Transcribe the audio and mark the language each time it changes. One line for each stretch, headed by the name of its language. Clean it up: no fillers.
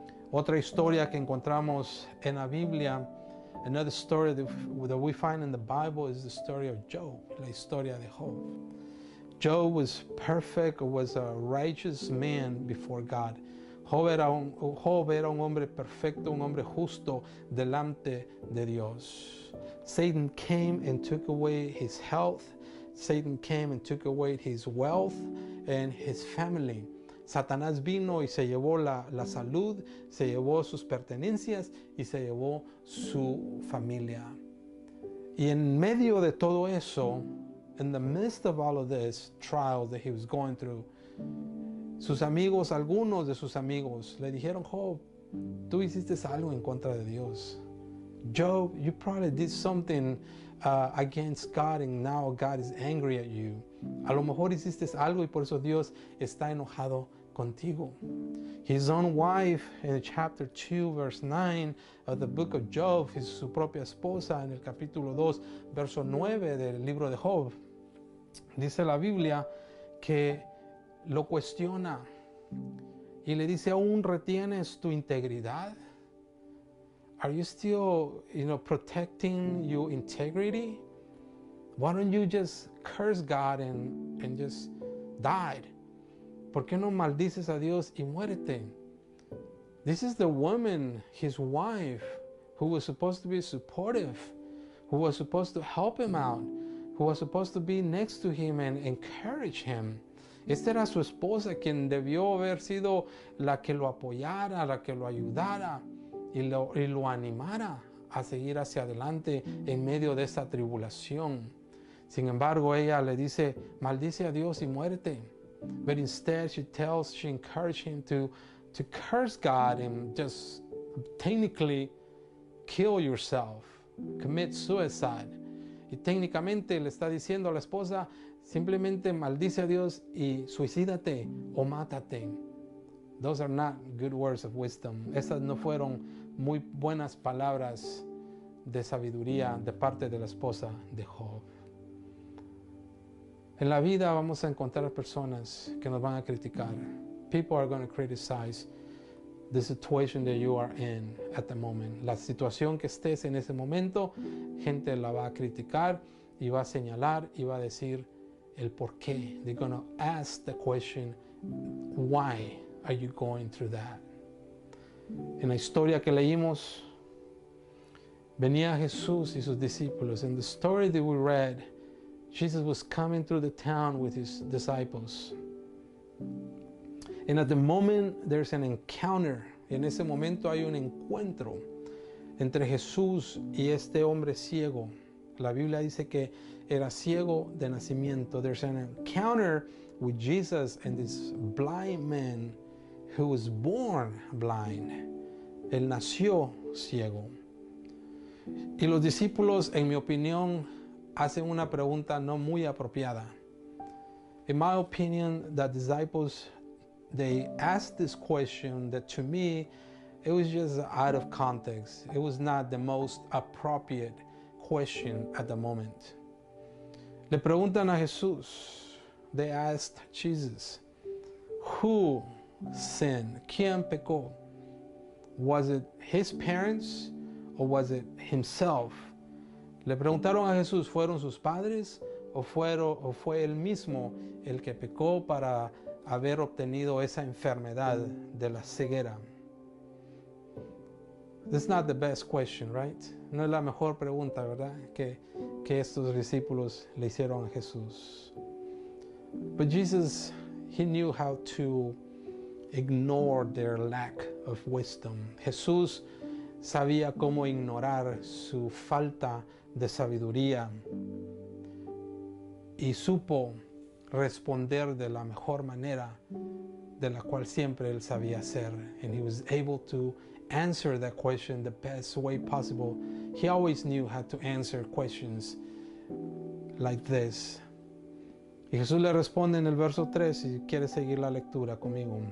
Spanish: Otra historia que encontramos en la Biblia,
English: another story that we find in the Bible, is the story of Job,
Spanish: la historia de Job.
English: Job was perfect, was a righteous man before God.
Spanish: Job era un hombre perfecto, un hombre justo delante de Dios.
English: Satan came and took away his health. Satan came and took away his wealth and his family.
Spanish: Satanás vino y se llevó la salud, se llevó sus pertenencias y se llevó su familia. Y en medio de todo eso,
English: in the midst of all of this trial that he was going through,
Spanish: sus amigos, algunos de sus amigos, le dijeron, Job, tú hiciste algo en contra de Dios.
English: Job, you probably did something against God and now God is angry at you.
Spanish: A lo mejor hiciste algo y por eso Dios está enojado contigo.
English: His own wife in chapter 2 verse 9 of the book of Job,
Spanish: su propia esposa en el capítulo 2 verso 9 del libro de Job, dice la Biblia que lo cuestiona y le dice, ¿aún retienes tu integridad?
English: Are you still, you know, protecting your integrity? Why don't you just curse God and just die?
Spanish: ¿Por qué no maldices a Dios y muérete?
English: This is the woman, his wife, who was supposed to be supportive, who was supposed to help him out, who was supposed to be next to him and encourage him.
Spanish: Esta era su esposa, quien debió haber sido la que lo apoyara, la que lo ayudara y lo animara a seguir hacia adelante en medio de esta tribulación. Sin embargo, ella le dice, maldice a Dios y muerte.
English: But instead, she encouraged him to curse God and just technically kill yourself, commit suicide.
Spanish: Y técnicamente le está diciendo a la esposa, simplemente maldice a Dios y suicídate o mátate.
English: Those are not good words of wisdom.
Spanish: Esas no fueron muy buenas palabras de sabiduría de parte de la esposa de Job. En la vida vamos a encontrar personas que nos van a criticar.
English: People are going to criticize the situation that you are in at the moment.
Spanish: La situación que estés en ese momento, gente la va a criticar y va a señalar y va a decir el por qué.
English: They're going to ask the question, why are you going through that?
Spanish: En la historia que leímos, venía Jesús y sus discípulos.
English: In the story that we read, Jesus was coming through the town with his disciples. And at the moment, there's an encounter.
Spanish: En ese momento hay un encuentro entre Jesús y este hombre ciego. La Biblia dice que era ciego de nacimiento.
English: There's an encounter with Jesus and this blind man who was born blind.
Spanish: Él nació ciego. Y los discípulos, en mi opinión, hacen una pregunta no muy apropiada.
English: In my opinion, the disciples, they asked this question that to me, it was just out of context. It was not the most appropriate question at the moment.
Spanish: Le preguntan a Jesús.
English: They asked Jesus, who sinned?
Spanish: ¿Quién pecó?
English: Was it his parents or was it himself?
Spanish: Le preguntaron a Jesús, ¿fueron sus padres o fue él mismo el que pecó para haber obtenido esa enfermedad de la ceguera?
English: That's not the best question, right?
Spanish: No es la mejor pregunta, ¿verdad? Que estos discípulos le hicieron a Jesús.
English: But Jesus, he knew how to ignore their lack of wisdom.
Spanish: Jesús sabía cómo ignorar su falta de sabiduría y supo responder de la mejor manera de la cual siempre él sabía hacer.
English: And he was able to answer that question the best way possible. He always knew how to answer questions like this.
Spanish: Y Jesús le responde en el verso 3, si quiere seguir la lectura conmigo.